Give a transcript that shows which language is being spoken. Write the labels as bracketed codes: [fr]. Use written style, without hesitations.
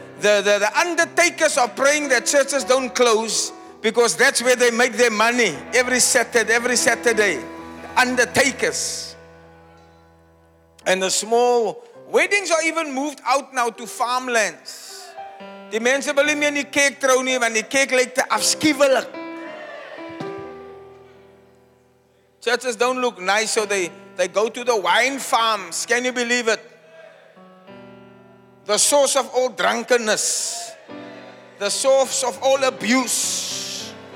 [en] The undertakers are praying that churches don't close because that's where they make their money. Every Saturday. The undertakers. And the small weddings are even moved out now to farmlands. [af] Die mense wil nie meer in die kerk trou nie, want die kerk lyk te afskuwelik. [en] Churches don't look nice, so they go to the wine farms. Can you believe it? The source of all drunkenness. The source of all abuse.